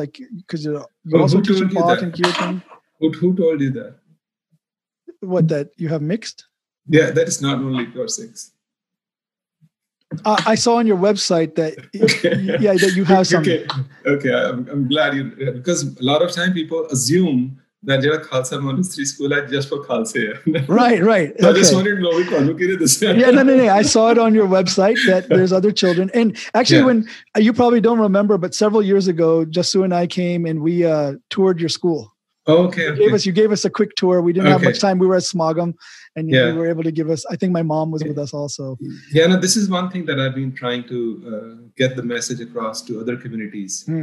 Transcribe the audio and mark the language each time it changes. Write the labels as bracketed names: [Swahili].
[English] Like, because you also teach Pat and Kirtan. Who told you that? What, that you have mixed? Yeah, that is not only for Sikhs. I saw on your website that that you have some. Okay, I'm glad you, because a lot of time people assume [Punjabi] ਨਾ ਜਿਹੜਾ Khalsa ਮੋਨਿਸਟਰੀ school ਹੈ [English] just for [Punjabi] ਖਾਲਸੇ ਹੈ [English] right right I just wanted to know [Punjabi] ਵੀ ਤੁਹਾਨੂੰ ਕਿਹਦੇ ਦੱਸਿਆ [English] Yeah no no no I saw it on your website that there is other children and actually when you probably don't remember but several years ago ਜਸੂ and I came and we toured your school Okay. You gave us a quick tour. We didn't have much time. We were at Smogum and you were able to give us, I think my mom was with us also. Yeah, no, this is one thing that I've been trying to get the message across to other communities.